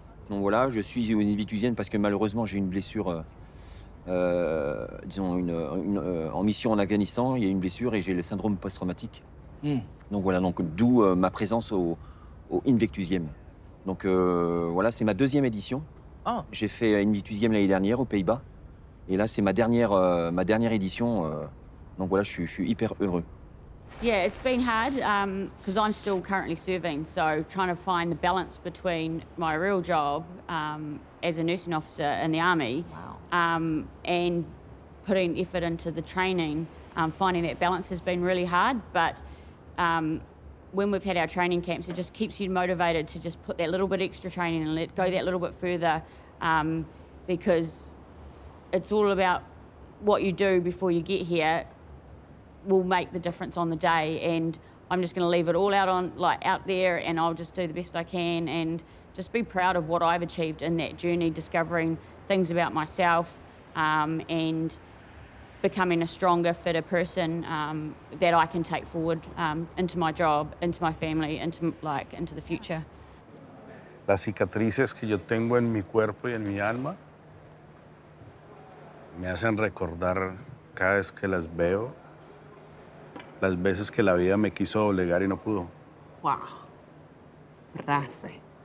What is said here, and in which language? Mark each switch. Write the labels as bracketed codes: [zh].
[fr] Donc voilà, je suis une invictusienne parce que malheureusement j'ai une blessure, disons, en mission en Afghanistan, il y a une blessure et j'ai le syndrome post-traumatique. Mm. Donc voilà, donc d'où ma présence au Invictus Game. Donc voilà, c'est ma deuxième édition. Oh. J'ai fait Invictus Game l'année dernière aux Pays-Bas. Et là, c'est ma dernière édition. Donc voilà, je suis hyper heureux. [en] Yeah, it's been hard because I'm still currently serving, so trying to find the balance between my real job as a nursing officer in the army, wow, and putting effort into the training, finding that balance has been really hard. But when we've had our training camps, it just keeps you motivated to just put that little bit extra training and let go that little bit further, because it's all about what you do before you get here will make the difference on the day. And I'm just going to leave it all out there, and I'll just do the best I can and just be proud of what I've achieved in that journey, discovering things about myself and becoming a stronger, fitter person that I can take forward into my job, into my family, into the future. [es] Las cicatrices que yo tengo en mi cuerpo y en mi alma me hacen recordar cada vez que las veo las veces que la vida me quiso doblegar y no pudo. Wow. Brase.